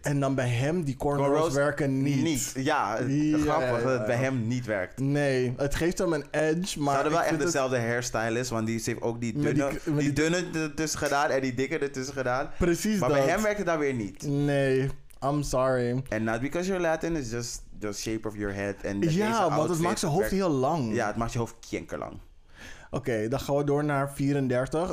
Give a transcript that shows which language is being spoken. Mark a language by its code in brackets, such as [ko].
[nl] En dan bij hem die cornrows werken niet. Ja, yeah. Grappig dat het bij hem niet werkt. Nee, het geeft hem een edge, maar... Zouden wel echt dezelfde hairstylist, want die heeft ook die dunne ertussen gedaan en die dikke ertussen gedaan. Precies maar dat. Bij hem werkt het dan weer niet. [en] Nee. I'm sorry. And not because you're Latin, it's just the shape of your head. And [nl] ja, want het maakt zijn hoofd heel lang. Ja, het maakt je hoofd kinkerlang. Oké, dan gaan we door naar 34.